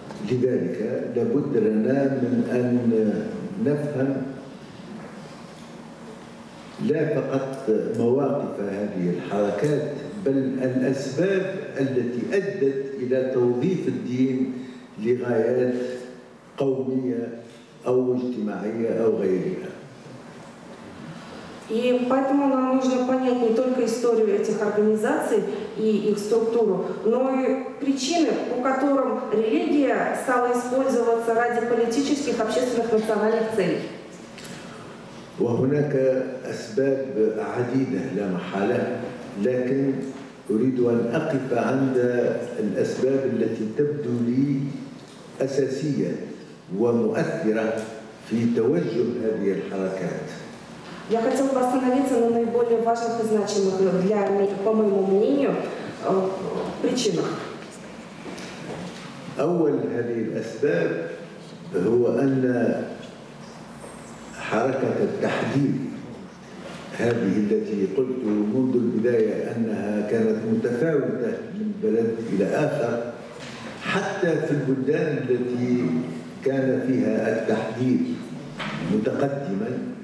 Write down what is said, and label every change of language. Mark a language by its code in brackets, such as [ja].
[ar] لذلك لابد لنا من أن نفهم لا فقط مواقف هذه الحركات بل الأسباب التي أدت إلى توظيف الدين لغايات قومية أو اجتماعية أو غيرها. [ru] И поэтому нам нужно понять не только историю этих организаций и их структуру, но и причины, по которым религия стала использоваться ради политических, общественных, национальных целей. [ar] وهناك أسباب عديدة لا محالة، لكن أريد أن أقف عند الأسباب التي تبدو لي أساسية ومؤثرة في توجه هذه الحركات. [ru] Я хотел бы остановиться на наиболее важных и значимых для, по моему мнению, причинах. [ar] أول هذه الأسباب هو أن حركة التحديد هذه التي قلت منذ البداية أنها كانت متفاوتة من بلد إلى آخر حتى في البلدان التي كان فيها التحديد متقدما.